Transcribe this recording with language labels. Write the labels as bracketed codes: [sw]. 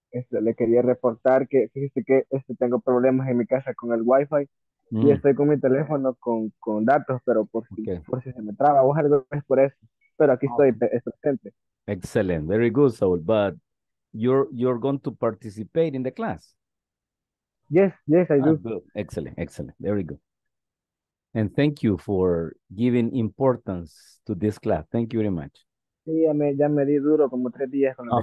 [es] le quería reportar que fíjese que tengo problemas en mi casa con el Wi-Fi y estoy con mi teléfono con datos, pero [en] Okay. [es] por si se me traba o algo es por eso, pero aquí [en] Okay. [es] estoy presente. [en] Excellent. Very good, Saul. But you're going to participate in the class. Yes, I Ah, do. good. Excellent. Excellent. Very good. And thank you for giving importance to this class. Thank you very much. [es] Sí, ya me di duro como 3 días con lo de